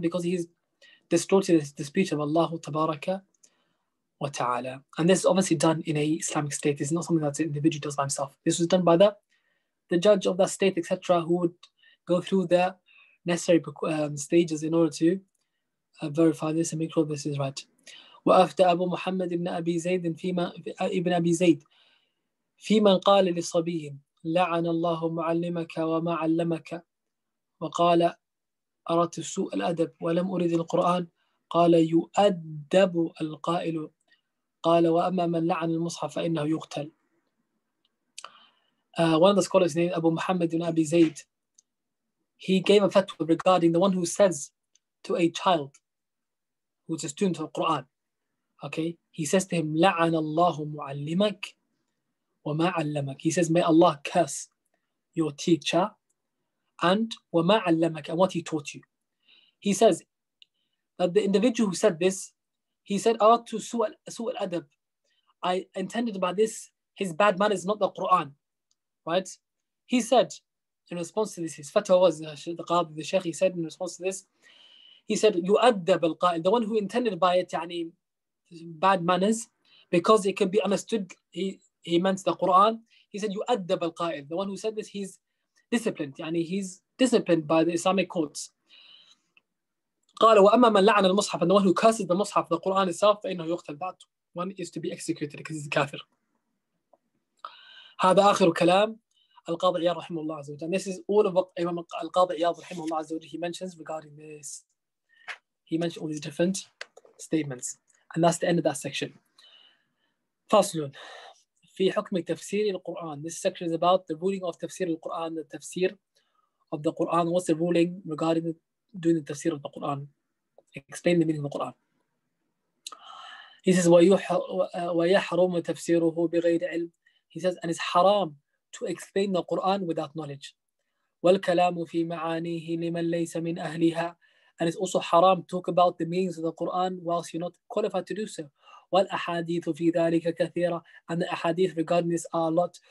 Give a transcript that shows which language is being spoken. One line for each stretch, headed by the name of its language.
English: Because he's distorted the speech of Allah tabaraka wa ta'ala. And this is obviously done in an Islamic state. It's not something that an individual does by himself. This was done by the judge of that state, etc., who would go through the necessary stages in order to verify this and make sure this is right.
Arabic: وأفتى أبو محمد بن أبي زيد فيما ابن أبي زيد فيما قال لصبي لعن الله معلمك وما علمك وقال أردت سوء الأدب ولم أريد القرآن قال يؤدب القائل قال وأما من لعن المصحف فإنه يقتل.
English: One of the scholars named Abu Muhammad ibn Abi Zayd, he gave a fatwa regarding the one who says to a child who is a student of the Quran. Okay, he says to him,
Arabic: لعن الله معلمك وما علمك.
English: He says, may Allah curse your teacher and
Arabic: وما علمك,
English: and what he taught you. He says that the individual who said this, he said,
Arabic: أردتُ سوء الأدب.
English: I intended by this, his bad manners, not the Quran. Right? He said, in response to this, his fatwa was the Qadi, the Sheikh, he said in response to this, he said,
Arabic: يؤدب القائل,
English: the one who intended by it,
Arabic: يعني,
English: bad manners, because it can be understood, he meant the Quran. He said,
Arabic: يؤدب القائل,
English: the one who said this, he's disciplined,
Arabic: يعني,
English: he's disciplined by the Islamic courts.
Arabic: قال, وأما من لعن المصحف,
English: and the one who curses the Mus'haf, the Quran itself,
Arabic: فإنه يقتل,
English: that one is to be executed because he's a kafir.
Arabic: هذا آخر كلام القاضي عياض رحمه الله عز وجل.
English: And this is all of what Imam القاضي عياض
Arabic: رحمه الله عز وجل,
English: he mentions regarding this. He mentioned all these different statements. And that's the end of that section.
Arabic: فصل في حكم تفسير القرآن.
English: This section is about the ruling of تفسير القرآن, the تفسير of the Quran. What's the ruling regarding doing the تفسير of the Quran? Explain the meaning of the Quran.
Arabic: He says, ويحرم تفسيره بغير علم.
English: He says, and it's haram to explain the Quran without knowledge.
Arabic: وَالْكَلَامُ فِي مَعَانِيهِ لِمَنْ لَيْسَ مِنْ أَهْلِهَا.
English: And it's also haram to talk about the meanings of the Quran whilst you're not qualified to do so.
Arabic: وَالْأَحَادِيثُ فِي ذَلِكَ كَثِيرًا.
English: And the ahadith regarding this are a lot.